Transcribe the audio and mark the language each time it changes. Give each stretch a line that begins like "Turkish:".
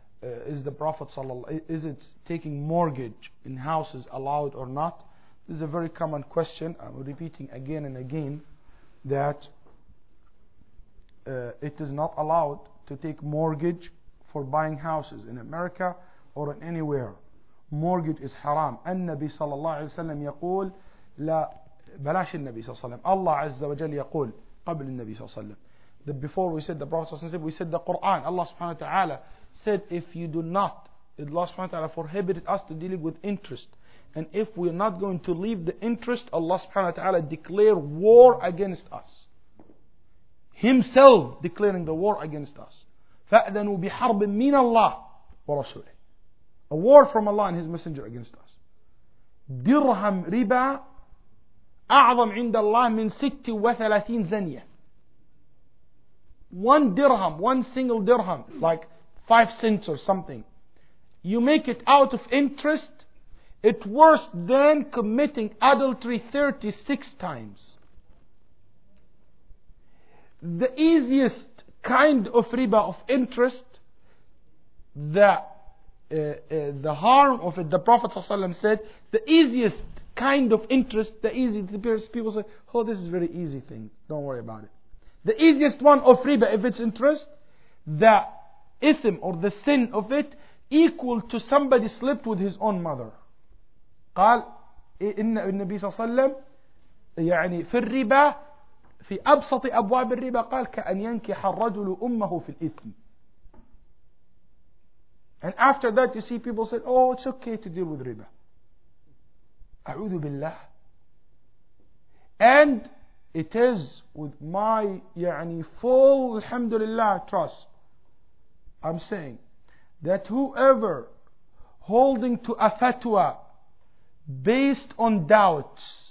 English: Is the Prophet ﷺ, is it taking mortgage in houses allowed or not? This is a very common question. I'm repeating again and again that it is not allowed to take mortgage for buying houses in America or in anywhere. Mortgage is haram.
Arabic: النبي صلى الله عليه وسلم يقول لا بلاش النبي صلى الله عليه وسلم. الله عز وجل يقول قبل النبي صلى الله عليه وسلم.
English: Before we said the Prophet ﷺ said, we said the Quran, Allah subhanahu wa ta'ala said, if you do not, Allah subhanahu wa ta'ala prohibited us to deal with interest. And if we are not going to leave the interest, Allah subhanahu wa ta'ala declare war against us. Himself declaring the war against us.
Arabic: فَأْذَنُوا بِحَرْبٍ مِّنَ اللَّهِ وَرَسُولِهِ.
English: A war from Allah and His Messenger against us.
Arabic: دِرْهَمْ riba أَعْظَمْ عِنْدَ اللَّهِ مِنْ 36 زَنِيَةٍ.
English: One dirham, one single dirham, like 5 cents or something, you make it out of interest, it's worse than committing adultery 36 times. The easiest kind of riba of interest, the harm of it, the Prophet ﷺ said, the easiest kind of interest, people say, oh, this is a very easy thing, don't worry about it. The easiest one of riba, if it's interest, the ithm or the sin of it, equal to somebody slept with his own mother.
Arabic: قال إن النبي صلى الله عليه وسلم يعني في الربا في أبسط أبواب الربا قال كأن ينكح الرجل أمه في الإثم.
English: And after that you see people said, oh, it's okay to deal with riba.
Arabic: أعوذ بالله.
English: And it is with my يعني full
Arabic: الحمد لله
English: trust I'm saying that whoever holding to a fatwa based on doubts